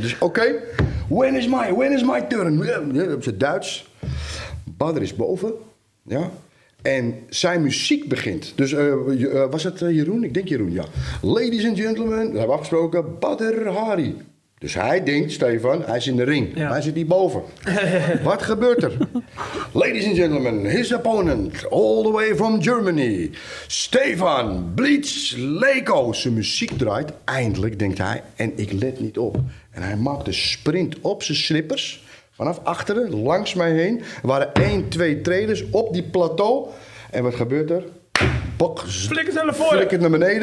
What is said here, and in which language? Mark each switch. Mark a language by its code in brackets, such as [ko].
[nl] Dus [en] when is my turn? [nl] Op zijn Duits. Badr is boven. Ja. En zijn muziek begint. Dus Jeroen? Ik denk Jeroen, ja. [en] Ladies and gentlemen, [nl] we hebben afgesproken, Badr Hari. Dus hij denkt, Stefan, hij is in de ring. Ja. Hij zit hierboven. Wat gebeurt er? [en] Ladies and gentlemen, his opponent, all the way from Germany. Stefan Blitz Leko. [nl] Zijn muziek draait, eindelijk, denkt hij. En ik let niet op. En hij maakt een sprint op zijn slippers. Vanaf achteren, langs mij heen, waren 1-2 trailers op die plateau. En wat gebeurt er? Bok, flikkert naar voren. Flikkert naar beneden.